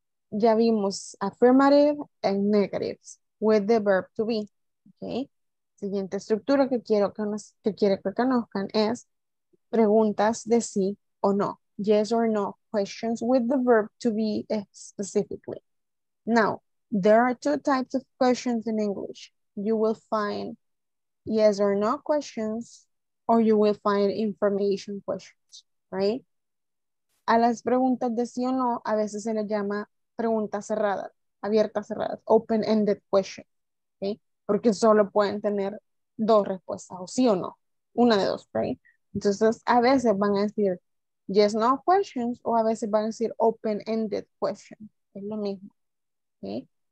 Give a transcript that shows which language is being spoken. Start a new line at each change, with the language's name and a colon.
Spanish: ya vimos
English: affirmative and negatives with the verb to be. Okay.
Spanish: Siguiente estructura que quiero que conozcan es preguntas de sí o no.
English: Yes or no questions with the verb to be specifically. Now, there are two types of questions in English. You will find yes or no questions, or you will find information questions, right?
Spanish: A las preguntas de sí o no, a veces se les llama preguntas cerradas, abiertas cerradas,
English: open-ended question,
Spanish: okay? Porque solo pueden tener dos respuestas, o sí o no, una de dos, right? Entonces, a veces van a decir
English: yes, no questions,
Spanish: o a veces van a decir
English: open-ended question,
Spanish: es lo mismo, okay?